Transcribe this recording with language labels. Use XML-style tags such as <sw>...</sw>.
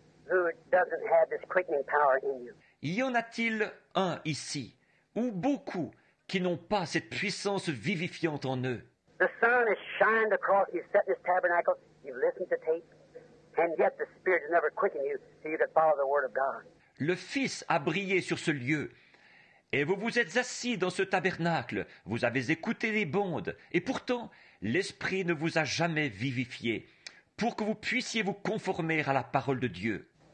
<en>Who doesn't have this quickening power in you?</en> <fr>Y en a-t-il un ici, ou beaucoup, qui n'ont pas cette puissance vivifiante en eux?</fr> <en>The sun has shined across, you've set this tabernacle, you've listened to tape, and yet the Spirit has never quickened you so you could follow the Word of God.</en> <fr>Le Fils a brillé sur ce lieu, et vous vous êtes assis dans ce tabernacle, vous avez écouté les bondes, et pourtant, l'Esprit ne vous a jamais vivifié. Pour que vous puissiez vous conformer à la parole de Dieu.</fr>